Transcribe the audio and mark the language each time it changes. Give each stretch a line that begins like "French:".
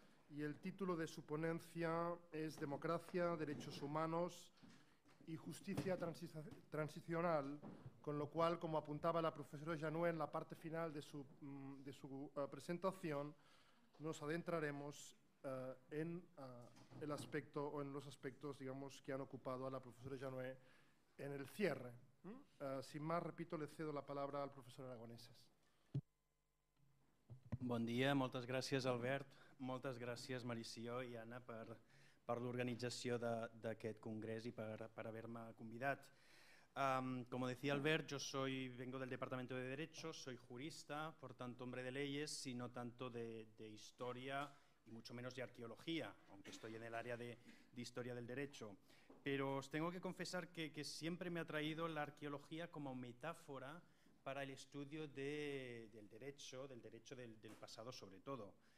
Spanish: Y el título de su ponencia es Democracia, Derechos Humanos y Justicia Transicional, con lo cual, como apuntaba la profesora Janué en la parte final de su presentación, nos adentraremos en los aspectos, digamos, que han ocupado a la profesora Janué en el cierre. Sin más, repito, le cedo la palabra al profesor Aragoneses.
Catalan: Bon dia, moltes gràcies, Albert. Moltes gràcies, Maricio i Anna, per l'organització d'aquest congrés i per haver-me convidat.
Spanish: Como decía Albert, vengo del Departamento de Derecho, soy jurista, por tanto hombre de leyes, sino tanto de historia y mucho menos de arqueología, aunque estoy en el área de historia del derecho. Pero os tengo que confesar que siempre me ha traído la arqueología como metáfora para el estudio del derecho del pasado, sobre todo.